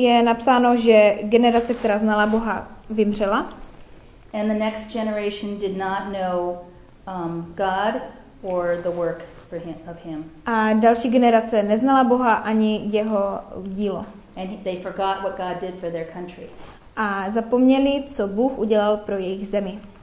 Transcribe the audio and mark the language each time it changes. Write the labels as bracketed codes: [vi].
[cs] Je napsáno, že generace, která znala Boha, vymřela. [en] And the next generation did not know God or the work for him, of him. [cs] A další generace neznala Boha ani jeho dílo. [en] And they forgot what God did for their country. [cs] A zapomněli, co Bůh udělal pro jejich zemi.